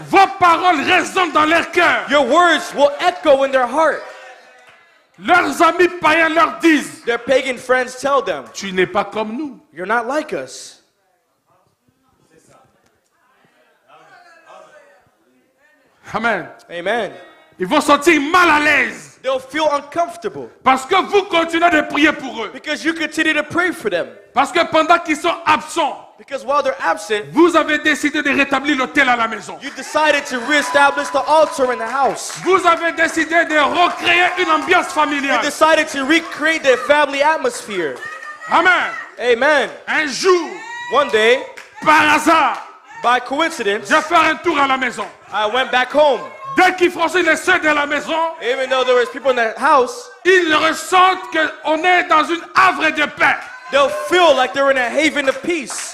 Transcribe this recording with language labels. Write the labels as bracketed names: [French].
[French] Vos paroles résonnent dans leur cœur. [English] Your words will echo in their heart. [French] Leurs amis païens leur disent. [English] Their pagan friends tell them. [French] Tu n'es pas comme nous. [English] You're not like us. [French] Amen. [English] Amen. [French] Ils vont sentir mal à l'aise. [English] They'll feel uncomfortable. [French] Parce que vous continuez de prier pour eux. [English] Because you continue to pray for them. [French] Parce que pendant qu'ils sont absents. [English] Because while they're absent, [French] vous avez décidé de rétablir l'autel à la maison. [English] You decided to reestablish the altar in the house. [French] Vous avez décidé de recréer une ambiance familiale. [English] You decided to recreate the family atmosphere. [French] Amen. [English] Amen. [French] Un jour, [English] one day, [French] par hasard, [English] by coincidence, [French] je fais un tour à la maison. [English] I went back home. [French] Dès qu'ils franchissent les seuils de la maison, [English] even though there was people in the house, [French] ils ressentent qu'on est dans une havre de paix. [English] They'll feel like they're in a haven of peace.